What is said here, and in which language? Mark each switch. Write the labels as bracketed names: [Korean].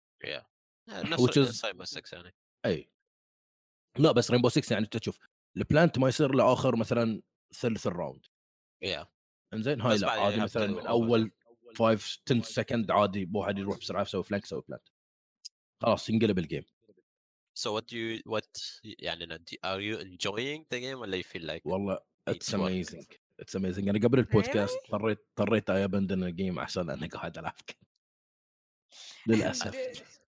[English] Yeah. [Arabic] نفس ريمبو 6 يعني. أي. لا بس ريمبو 6 يعني تشوف البلانت ما يصير لآخر مثلاً ثلث الراوند. [English] Yeah. [Arabic] إنزين هاي لا عادي مثلاً من أول 5-10 سكند عادي بوحد يروح بسرعة يسوي فلانك يسوي بلانت. خلاص ينقلب الجيم. [English] So what [Arabic] يعني [English] are you enjoying the game or do you feel like [Arabic] والله [English] it's amazing. Work. It's amazing. [Arabic] أنا قبل البودكاست اضطريت أي أبندن الجيم عشان أنا قاعد ألعبك للأسف.